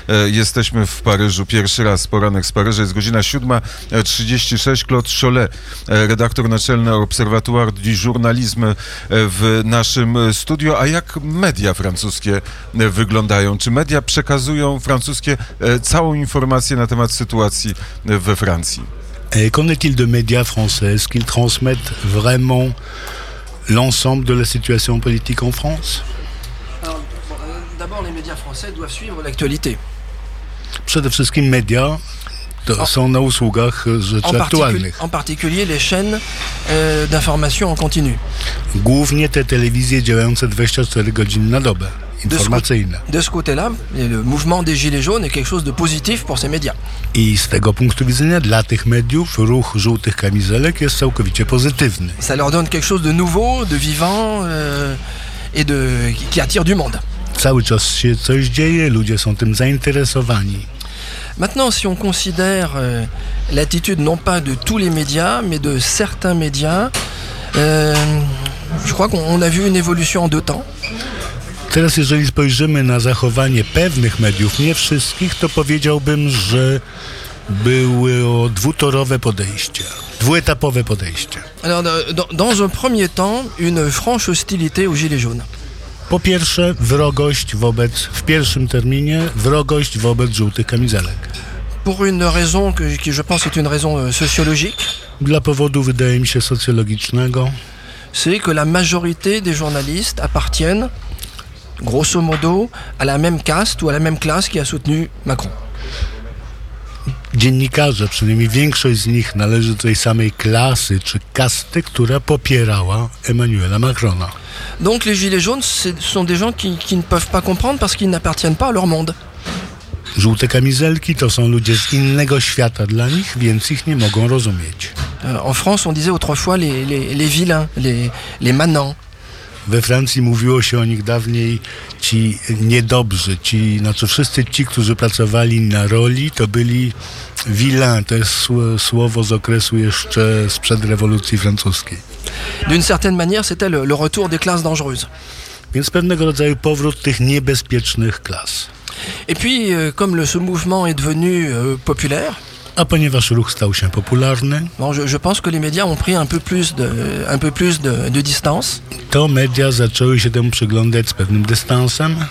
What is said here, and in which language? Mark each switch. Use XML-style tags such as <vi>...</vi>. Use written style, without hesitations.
<pl>Jesteśmy w Paryżu pierwszy raz, poranek z Paryża. Jest godzina 7:36. Claude Chollet, redaktor naczelny Observatoire du Journalisme, w naszym studio. A jak media francuskie wyglądają? Czy media przekazują francuskie całą informację na temat sytuacji we Francji?</pl> <fr>Et qu'en est-il de médias français? Est-ce qu'ils transmettent vraiment l'ensemble de la situation politique en France? Alors, d'abord, les médias français doivent suivre l'actualité.</fr> <pl>Przede wszystkim media są na usługach rzeczy aktualnych.</pl> <fr>En particulier les chaînes d'information en continu.</fr> <pl>Głównie te telewizje działające 24 godziny na dobę.</pl> <fr>De ce côté-là, le mouvement des Gilets jaunes est quelque chose de positif pour ces médias.</fr> <pl>I z tego punktu widzenia, dla tych mediów, ruch żółtych kamizelek jest całkowicie pozytywny.</pl> <fr>Ça leur donne quelque chose de nouveau, de vivant et de qui attire du monde.</fr> <pl>Cały czas się coś dzieje, ludzie są tym zainteresowani.</pl> <fr>Maintenant, si on considère l'attitude non pas de tous les médias, mais de certains médias, je crois qu'on a vu une évolution en deux temps.</fr> <pl>Teraz, jeżeli spojrzymy na zachowanie pewnych mediów, nie wszystkich, to powiedziałbym, że były o dwutorowe podejście, dwuetapowe podejście.</pl> <fr>Alors, dans un premier temps, une franche hostilité aux Gilets jaunes.</fr> <pl>Po pierwsze, wrogość wobec, w pierwszym terminie, wrogość wobec żółtych kamizelek.</pl> <fr>Pour une raison qui je pense est une raison sociologique.</fr> <pl>Dla powodu, wydaje mi się, socjologicznego.</pl> <fr>C'est que la majorité des journalistes appartiennent grosso modo, à la même caste ou à la même classe qui a soutenu Macron.</fr> <pl>Dziennikarze, przynajmniej większość z nich należy do tej samej klasy czy kasty, która popierała Emmanuela Macrona.</pl> <fr>Donc les gilets jaunes, ce sont des gens qui ne peuvent pas comprendre parce qu'ils n'appartiennent pas à leur monde.</fr> <pl>Żółte kamizelki to są ludzie z innego świata dla nich, więc ich nie mogą rozumieć.</pl> <fr>En France, on disait autrefois les vilains, les manants.</fr> <pl>We Francji mówiło się o nich dawniej ci niedobrzy, ci, znaczy wszyscy ci, którzy pracowali na roli, to byli vilains, to jest słowo z okresu jeszcze sprzed rewolucji francuskiej.</pl> <fr>D'une certaine manière, c'était le retour des classes dangereuses.</fr> <pl>Więc pewnego rodzaju powrót tych niebezpiecznych klas.</pl> <fr>Et puis, comme ce mouvement est devenu populaire,</fr> <pl>a ponieważ ruch stał się popularny,</pl> <fr>bon, je pense que les médias ont pris un peu plus de distance.</fr> <pl>To media zaczęły się temu przyglądać z pewnym dystansem.</pl>